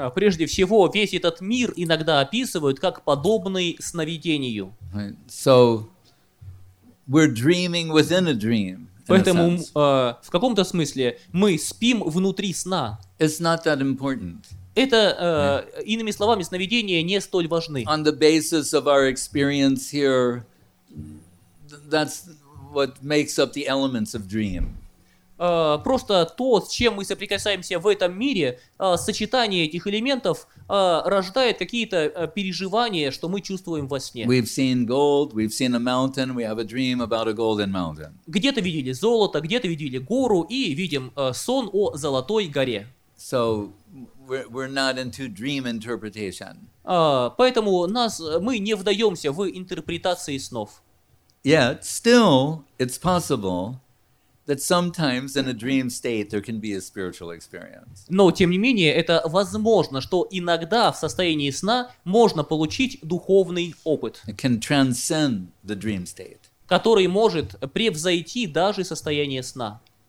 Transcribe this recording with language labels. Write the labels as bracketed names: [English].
[Russian] Прежде всего, весь этот мир иногда описывают как подобный сновидению. [English] So we're dreaming within a dream. [Russian] Поэтому в каком-то смысле мы спим внутри сна. [English] It's not that important. [Russian] Это, иными словами, сновидения не столь важны. [English] On the basis of our experience here, that's what makes up the elements of dream. [Russian] Просто то, с чем мы соприкасаемся в этом мире, сочетание этих элементов рождает какие-то переживания, что мы чувствуем во сне. [English] We've seen gold, we've seen a mountain, we have a dream about a golden mountain. [Russian] Где-то видели золото, где-то видели гору и видим сон о золотой горе. [English] So we're not into dream interpretation. [Russian] Поэтому мы не вдаемся в интерпретации снов. [English] Yet still, it's possible that sometimes in a dream state there can be a spiritual experience. [Russian] Но тем не менее это возможно, что иногда в состоянии сна можно получить духовный опыт. [English] It can transcend the dream state. [Russian] Который может превзойти даже состояние сна.